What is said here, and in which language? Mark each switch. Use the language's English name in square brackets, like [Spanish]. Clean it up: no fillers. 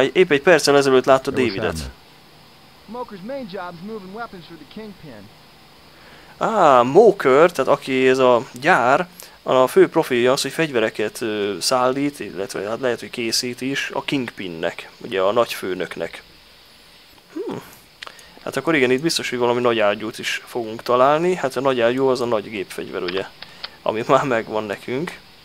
[Hungarian] Épp egy perccel ezelőtt látta Davidet. [English] Moker's main job is moving weapons for the Kingpin. [Hungarian] Moker, tehát aki ez a gyár, a fő profilja az, hogy fegyvereket szállít, illetve hát lehet, hogy készít is a Kingpinnek, ugye a nagyfőnöknek. Hát akkor igen, itt biztos, hogy valami nagy ágyút is fogunk találni. Hát a nagy ágyú az a nagy gépfegyver, ugye, ami már megvan nekünk.